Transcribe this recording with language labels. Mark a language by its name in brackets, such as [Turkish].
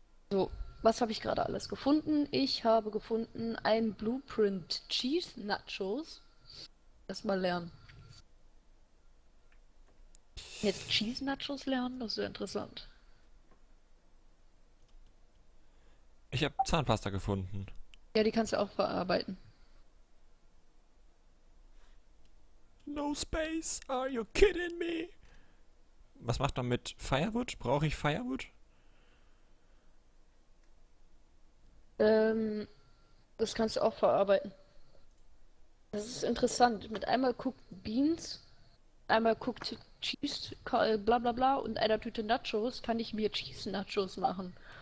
[German] So, was habe ich gerade alles gefunden? Ich habe gefunden ein Blueprint Cheese Nachos. Erstmal lernen. Jetzt Cheese Nachos lernen? Das ist ja interessant. Ich habe Zahnpasta gefunden. Ja, die kannst du auch verarbeiten. [English] No space, are you kidding me? [German] Was macht man mit Firewood? Brauche ich Firewood? Das kannst du auch verarbeiten. Das ist interessant. Mit einmal guckt Beans, einmal guckt Cheese, bla bla bla, und einer Tüte Nachos kann ich mir Cheese Nachos machen.